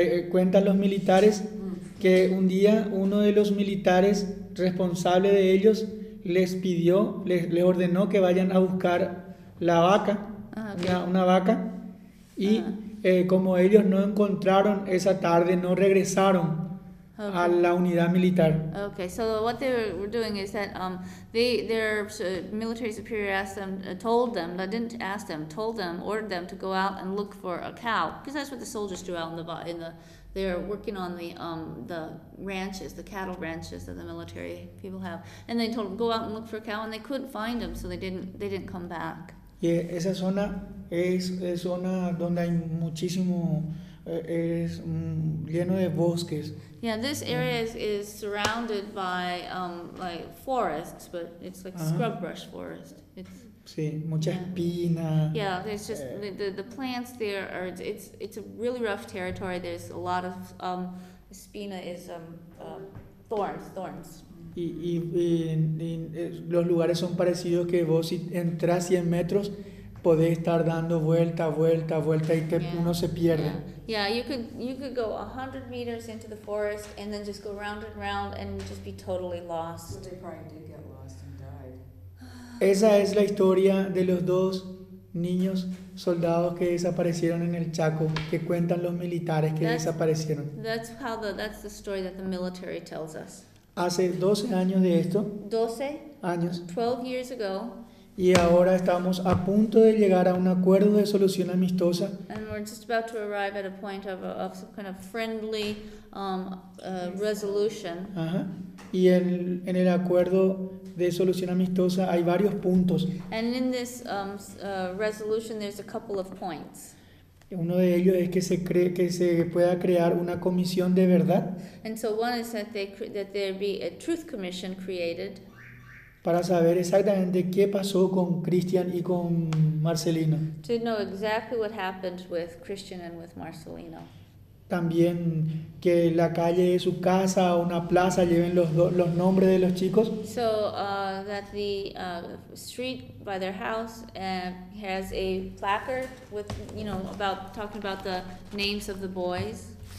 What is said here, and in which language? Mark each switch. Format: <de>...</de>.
<es>Cuentan los militares que un día uno de los militares responsable de ellos les pidió, les ordenó que vayan a buscar la vaca, una vaca, y como ellos no encontraron esa tarde, no regresaron a la unidad militar.</es> <en>Okay, so what they were doing is that their military superior told them, ordered them to go out and look for a cow, because that's what the soldiers do out they're working on the ranches, the cattle ranches that the military people have, and they told them go out and look for a cow, and they couldn't find them, so they didn't come back.</en> <es>Yeah, esa zona es zona donde hay muchísimo. Es lleno de bosques.</es> <en>Yeah, this area is surrounded by like forests, but it's like scrub brush forest.</en> <es>Sí, mucha espina.</es> <en>Yeah, there's just the plants there are. It's a really rough territory. There's a lot of espina is thorns.</en> <es>Y los lugares son parecidos que vos si entras 100 metros. Podés estar dando vuelta y uno se pierde.</es> <en>Yeah, you could go 100 meters into the forest and then just go round and round and just be totally lost. But they probably did get lost and died.</en> <es>Esa es la historia de los dos niños soldados que desaparecieron en el Chaco, que cuentan los militares que desaparecieron.</es> <en>That's the story that the military tells us.</en> <es>Hace 12 años de esto. 12 años.</es> <en>12 years ago.</en> <es>Y ahora estamos a punto de llegar a un acuerdo de solución amistosa.</es> <en>And we're just about to arrive at a point of some kind of friendly resolution. Ajá.</en> <es>Y en el acuerdo de solución amistosa hay varios puntos.</es> <en>And in this resolution there's a couple of points.</en> <es>Uno de ellos es que se pueda crear una comisión de verdad.</es> <en>And so one is that there be a truth commission created.</en> <es>Para saber exactamente qué pasó con Cristian y con Marcelino.</es> <en>To know exactly what happened with Christian and with Marcelino.</en> <es>También que la calle de su casa o una plaza lleven los nombres de los chicos.</es> <en>So that the street by their house has a placard with, you know, about talking about the names of the boys.</en>